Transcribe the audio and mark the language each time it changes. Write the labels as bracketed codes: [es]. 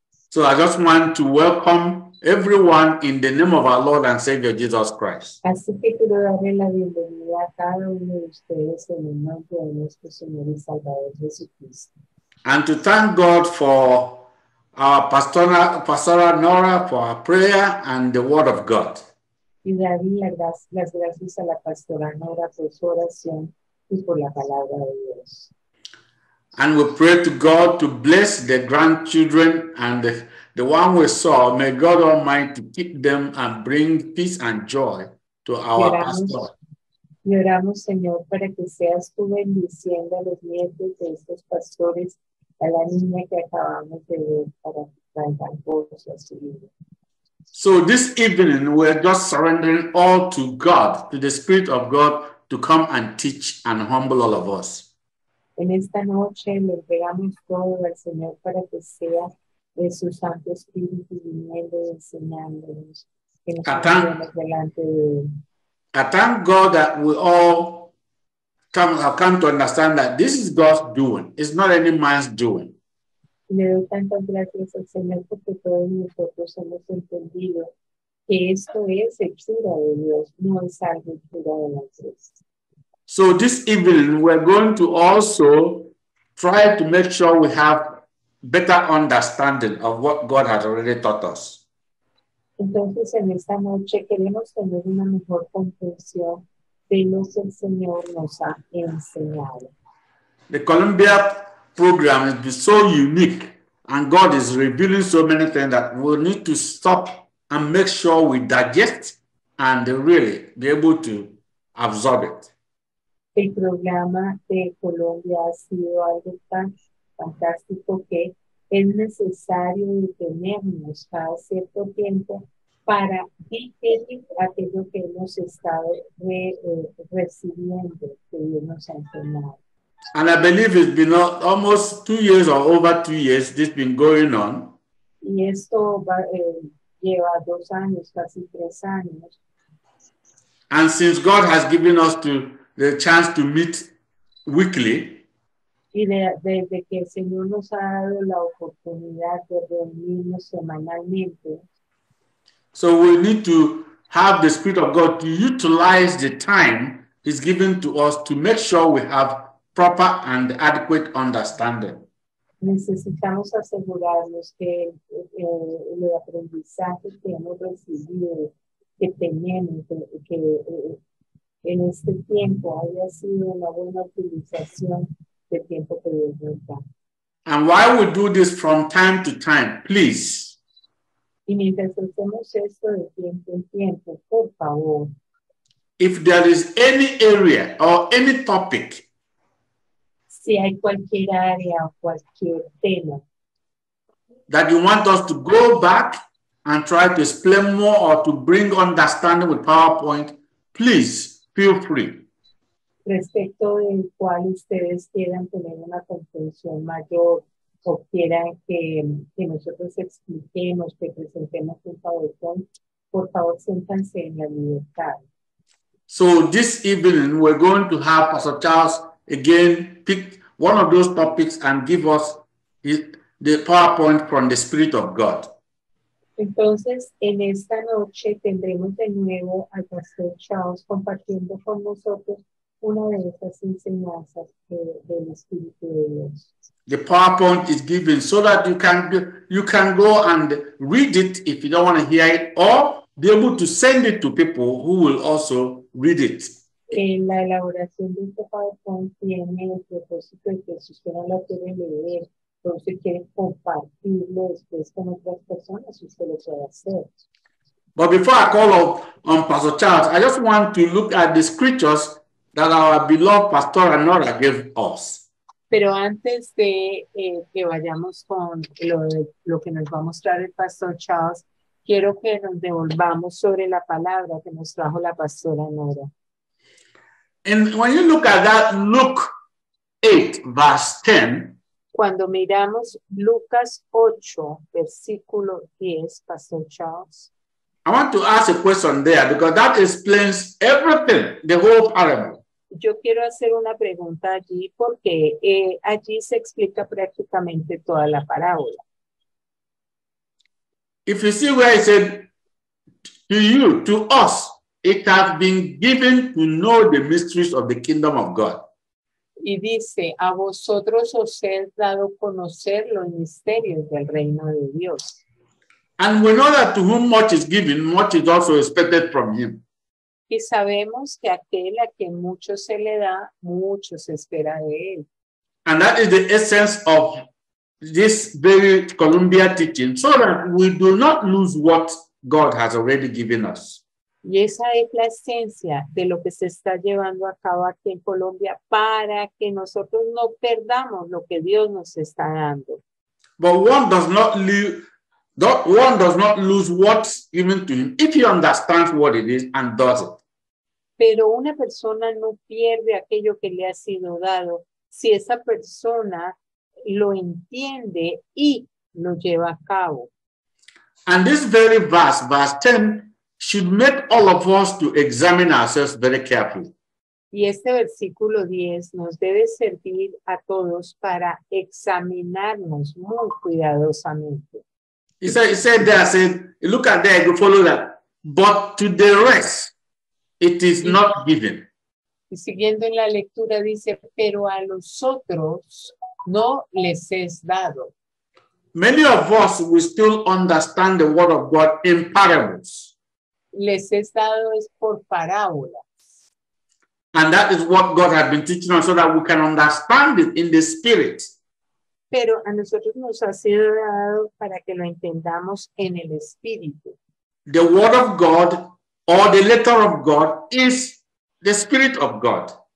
[en] So I just want to welcome everyone in the name of our Lord and Savior Jesus Christ. [es] Así que quiero darle la bienvenida a cada uno de ustedes en el nombre de nuestro Señor y Salvador Jesucristo. [en] And to thank God for our pastoral Nora for our prayer and the word of God. [es] Y darle las gracias a la pastora Nora por su oración y por la palabra de Dios. [en] And we pray to God to bless the grandchildren and the one we saw. May God Almighty keep them and bring peace and joy to our pastor. [es] Y oramos, Señor, para que seas tú bendiciendo a los nietos de estos pastores, a la niña que acabamos de ver, para que traigan gozo a su vida. [en] So this evening, we're just surrendering all to God, to the Spirit of God, to come and teach and humble all of us. [es] En esta noche le entregamos todo al Señor para que sea de su Santo Espíritu viniendo y enseñándonos que nos pongamos delante de él. [en] I thank God that we all have come to understand that this is God's doing. It's not any man's doing. [es] Le doy tantas gracias al Señor porque todos nosotros hemos entendido que esto es hechura de Dios, no es algo hechura de nosotros. [en] So this evening, we're going to also try to make sure we have better understanding of what God has already taught us. [es] Entonces, en esta noche, queremos tener una mejor comprensión de lo que el Señor nos ha enseñado. [en] The Columbia program has been so unique, and God is revealing so many things that we need to stop and make sure we digest and really be able to absorb it. [es] El programa de Colombia ha sido algo tan fantástico que es necesario detenernos cada cierto tiempo para digerir aquello que hemos estado recibiendo, que Dios nos ha enseñado. [en] And I believe it's been almost 2 years or over 2 years this has been going on. [es] Y esto va, lleva 2 años, casi 3 años. [en] And since God has given us to the chance to meet weekly. [es] Y desde que el Señor nos ha dado la oportunidad de reunirnos semanalmente. [en] So we need to have the Spirit of God to utilize the time He's given to us to make sure we have proper and adequate understanding. [es] Necesitamos asegurarnos que el aprendizaje que hemos recibido, que tenemos, que en este tiempo haya sido una buena utilización del tiempo que Dios nos da. [en] And while we do this from time to time, please. [es] Y mientras hacemos esto de tiempo en tiempo, por favor. [en] If there is any area or any topic. [es] Si hay cualquier área o cualquier tema. [en] That you want us to go back and try to explain more or to bring understanding with PowerPoint, please. Feel free. [es] Respecto del cual ustedes quieran tener una comprensión mayor o quieran que nosotros expliquemos, que presentemos un PowerPoint, por favor, siéntanse en la libertad. [en] So this evening we're going to have Pastor Charles again pick one of those topics and give us the PowerPoint from the Spirit of God. [es] Entonces, en esta noche tendremos de nuevo al Pastor Charles compartiendo con nosotros una de estas enseñanzas del Espíritu de Dios. [en] The PowerPoint is given so that you can go and read it if you don't want to hear it, or be able to send it to people who will also read it. [es] La elaboración de este PowerPoint tiene el propósito de que si usted no lo quiere leer, pero si quieren compartirlo después con otras personas, usted lo puede hacer. [en] But before I call on Pastor Charles, I just want to look at the scriptures that our beloved Pastor Anora gave us. [es] Pero antes de que vayamos con lo que nos va a mostrar el Pastor Charles, quiero que nos devolvamos sobre la palabra que nos trajo la Pastora Anora. [en] And when you look at that, Luke 8, verse 10, [es] cuando miramos Lucas 8, versículo 10, Pastor Charles. [en] I want to ask a question there because that explains everything, the whole parable. [es] Yo quiero hacer una pregunta allí porque allí se explica prácticamente toda la parábola. [en] If you see where he said, to you, to us, it has been given to know the mysteries of the kingdom of God. [es] Y dice, a vosotros os he dado conocer los misterios del reino de Dios. [en] And we know that to whom much is given, much is also expected from him. [es] Y sabemos que aquel a quien mucho se le da, mucho se espera de él. [en] And that is the essence of this very Columbia teaching, so that we do not lose what God has already given us. [es] Y esa es la esencia de lo que se está llevando a cabo aquí en Colombia para que nosotros no perdamos lo que Dios nos está dando. [en] But one does not lose what's given to him if he understands what it is and does it. [es] Pero una persona no pierde aquello que le ha sido dado si esa persona lo entiende y lo lleva a cabo. [en] And this very verse 10, should make all of us to examine ourselves very carefully. [es] Y este versículo 10 nos debe servir a todos para examinarnos muy cuidadosamente. [en] He said, look at there, go follow that. But to the rest, it is not given. [es] Y siguiendo en la lectura dice, pero a los otros no les es dado. [en] Many of us will still understand the word of God in parables. [es] Les he dado es por parábolas. [en] And that is what God has been teaching us so that we can understand it in the spirit. [es] Pero a nosotros nos ha sido dado para que lo entendamos en el espíritu. [en] The word of God or the letter of God is the spirit of God.